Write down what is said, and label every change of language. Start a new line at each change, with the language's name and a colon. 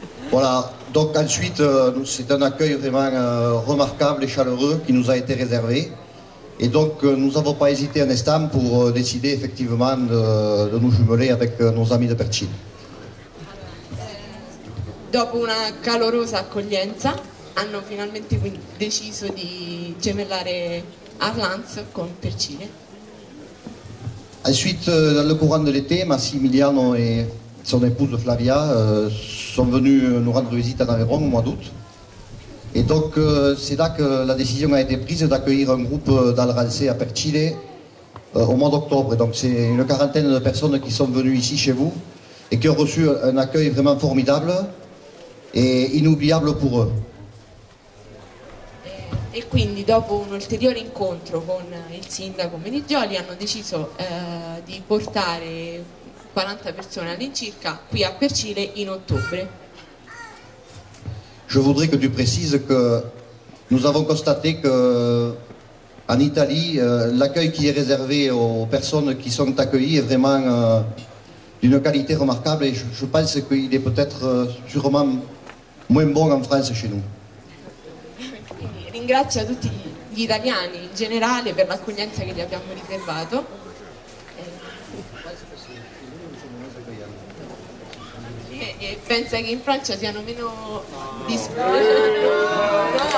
French: Voilà, donc ensuite c'est un accueil vraiment remarquable et chaleureux qui nous a été réservé, et donc nous n'avons pas hésité un instant pour décider effectivement de nous jumeler avec nos amis de Percile.
Italian: Dopo una calorosa accoglienza hanno finalmente deciso di gemellare Arlanzo con Percile.
French: Ensuite, dans le courant de l'été, Massimiliano et son épouse Flavia sont venus nous rendre visite à Aveyron au mois d'août. Et donc c'est là que la décision a été prise d'accueillir un groupe d'Alrancé à Percile au mois d'octobre. Et donc c'est une quarantaine de personnes qui sont venues ici chez vous et qui ont reçu un accueil vraiment formidable et inoubliable pour eux.
Italian: E quindi dopo un ulteriore incontro con il sindaco Meriggioli hanno deciso di portare 40 persone all'incirca qui a Percile in ottobre.
French: Je voudrais que tu précises que nous avons constaté que en Italie l'accueil qui est réservé aux personnes qui sont accueillies est vraiment d'une qualité remarquable, et je pense qu'il est peut-être sûrement moins bon en France chez nous.
Italian: Ringrazio a tutti gli italiani in generale per l'accoglienza che gli abbiamo riservato. Pensa che in Francia siano meno disposti.